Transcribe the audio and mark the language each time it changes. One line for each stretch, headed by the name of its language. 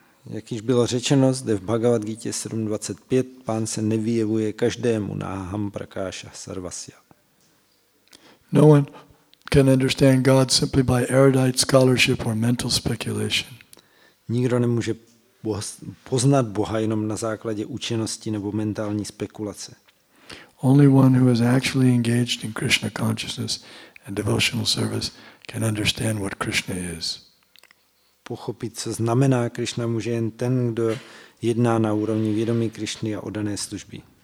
Czech: Jak již bylo řečeno, zde v Bhagavad Gita 7.25, pán se nevyjevuje každému,
Sanskrit: Naham Prakasha Sarvasya.
English: No one can understand God simply by erudite scholarship or mental speculation.
Czech: Nikdo nemůže poznat Boha jenom na základě učenosti nebo mentální spekulace.
English: Only one who is actually engaged in Krishna consciousness and devotional service can understand what Krishna is.
Czech: Pochopit, co znamená Krishna, může jen ten, kdo jedná na úrovni vědomí Krishny a oddané služby.